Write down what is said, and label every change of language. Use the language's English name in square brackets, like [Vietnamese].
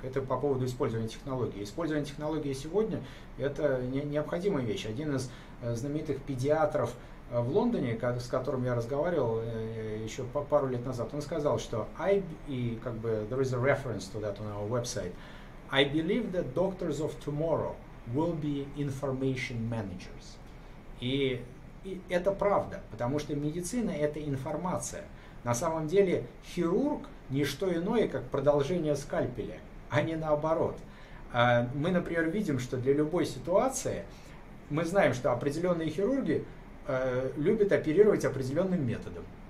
[Russian] Это по поводу использования технологий. Использование технологий сегодня – это необходимая вещь. Один из знаменитых педиатров в Лондоне, с которым я разговаривал еще пару лет назад, он сказал, что [English] there is a reference to that on our website. I believe that doctors of tomorrow will be information managers. [Russian] И это правда, потому что медицина – это информация. На самом деле хирург – не что иное, как продолжение скальпеля, а не наоборот. Мы, например, видим, что для любой ситуации, мы знаем, что определенные хирурги любят оперировать определенным методом.